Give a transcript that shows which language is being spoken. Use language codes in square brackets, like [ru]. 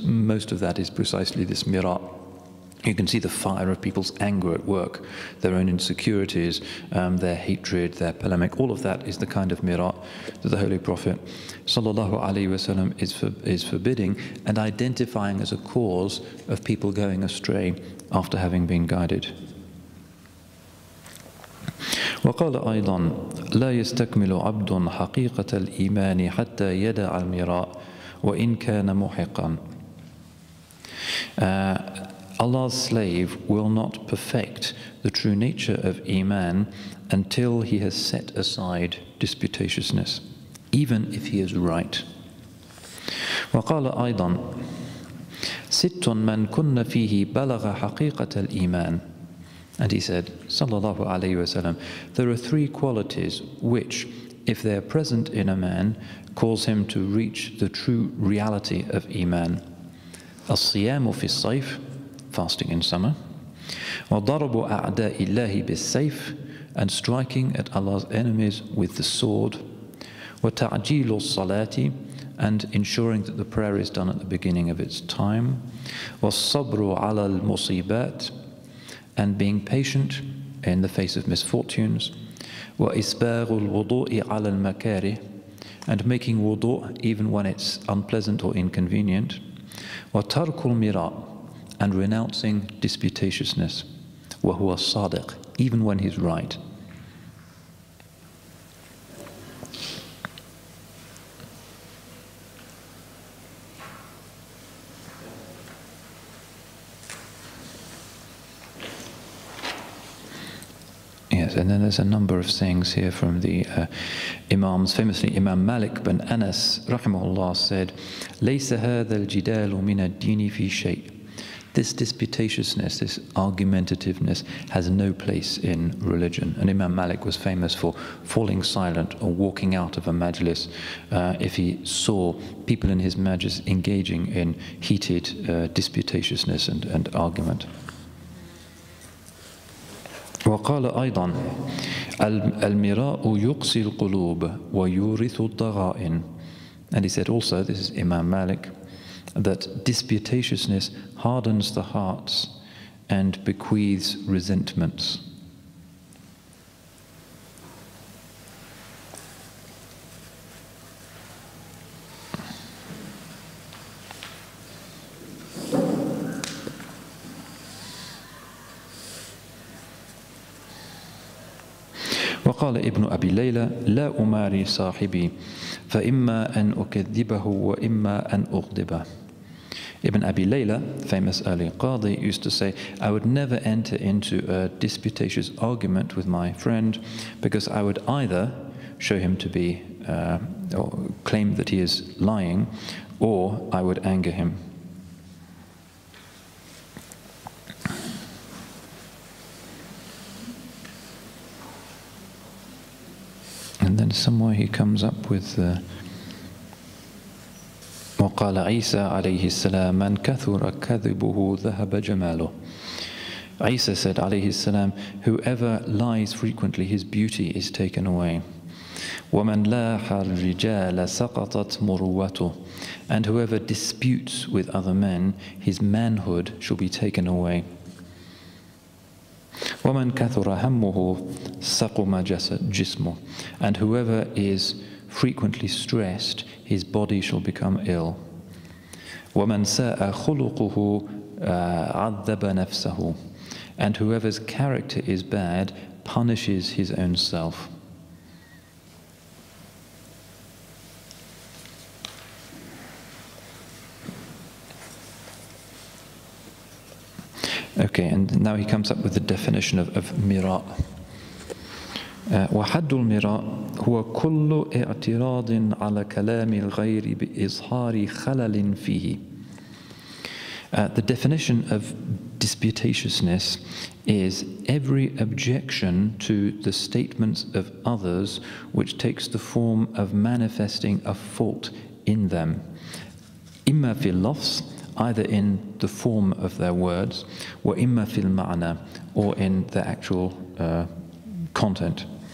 [en] Most of that is precisely this mirah. You can see the fire of people's anger at work, their own insecurities, their hatred, their polemic. All of that is the kind of mirah that the Holy Prophet [ar] sallallahu alaihi wasallam [en] is forbidding and identifying as a cause of people going astray after having been guided. [ar] وقال أيضا لا يستكمل عبد حقيقة الإيمان حتى يدع المرآة وإن كان محقا. [en] Allah's slave will not perfect the true nature of Iman until he has set aside disputatiousness, even if he is right. [ar] وقال أيضا ست من كن فيه بلغ حقيقة الإيمان. [en] And he said, [ar] صلى الله عليه وسلم, [en] there are three qualities which, if they are present in a man, cause him to reach the true reality of Iman. [ar] الصيام في الصيف, [en] fasting in summer, [ar] وضرب أعداء الله بالسيف, [en] and striking at Allah's enemies with the sword, [ar] وتعجيل الصلاة, [en] and ensuring that the prayer is done at the beginning of its time, [ar] والصبر على المصيبات, [en] and being patient in the face of misfortunes, [ar] وإسباغ الوضوء على المكاره, [en] and making wudu even when it's unpleasant or inconvenient, [ar] وترك المراء, [en] and renouncing disputatiousness, [ar] وَهُوَ الصَّادِقِ, [en] even when he's right. Yes, and then there's a number of sayings here from the Imams. Famously, Imam Malik bin Anas, rahimahullah, said, [ar] لَيْسَ هَذَا الْجِدَالُ مِنَ الدِّينِ فِي شَيْءٍ. [en] This disputatiousness, this argumentativeness, has no place in religion. And Imam Malik was famous for falling silent or walking out of a majlis if he saw people in his majlis engaging in heated disputatiousness and argument. [ar] وقال أيضا المراء يقسي القلوب ويورث الضغائن. [en] And he said also, this is Imam Malik, that disputatiousness hardens the hearts and bequeaths resentments. [ar] وقال ابن أبي ليلى لا أماري صاحبي فإما أن أكذبه وإما أن أغضبه. [en] Ibn Abi Layla, famous early Qadi, used to say, I would never enter into a disputatious argument with my friend because I would either show him to be, or claim that he is lying, or I would anger him. And then somewhere he comes up with [ar] وقال عيسى عليه السلام من كثر كذبه ذهب جماله. [en] Isa said, [ar] alayhi salam, [en] whoever lies frequently, his beauty is taken away. [ar] وَمَنْ لَاحَ الرِّجَالَ سَقَطَتْ مُرُوَّتُهُ. [en] And whoever disputes with other men, his manhood shall be taken away. [ar] وَمَنْ كَثُرَ هَمُّهُ سَقُمَ جِسْمُهُ. [en] And whoever is frequently stressed, his body shall become ill. [ar] وَمَنْ سَاءَ خُلُقُهُ عَذَّبَ نَفْسَهُ. [en] And whoever's character is bad punishes his own self. Okay, and now he comes up with the definition of mira. [ar] وحد المراء هو كل اعتراض على كلام الغير بإظهار خلل فيه. [en] The definition of disputatiousness is every objection to the statements of others which takes the form of manifesting a fault in them. [ar] إما في اللفظ, [en] either in the form of their words, [ar] وإما في المعنى, [en] or in the actual content.